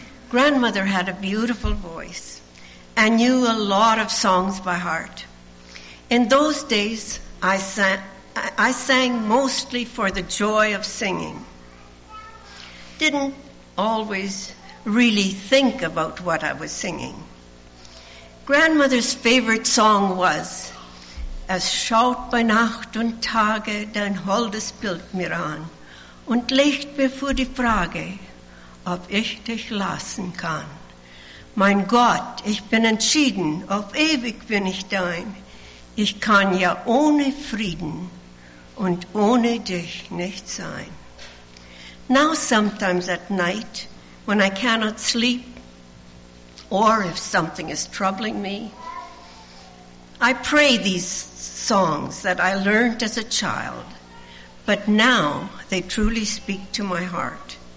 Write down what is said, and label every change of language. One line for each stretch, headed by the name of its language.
English: Grandmother had a beautiful voice and knew a lot of songs by heart. In those days, I sang mostly for the joy of singing. Didn't always really think about what I was singing. Grandmother's favorite song was,
German: "Es schaut bei Nacht und Tage dein holdes Bild mir an und legt mir vor die Frage, ob ich dich lassen kann. Mein Gott, ich bin entschieden, auf ewig bin ich dein. Ich kann ja ohne Frieden und ohne dich nicht sein."
English: Now sometimes at night, when I cannot sleep, or if something is troubling me, I pray these songs that I learned as a child, but now they truly speak to my heart.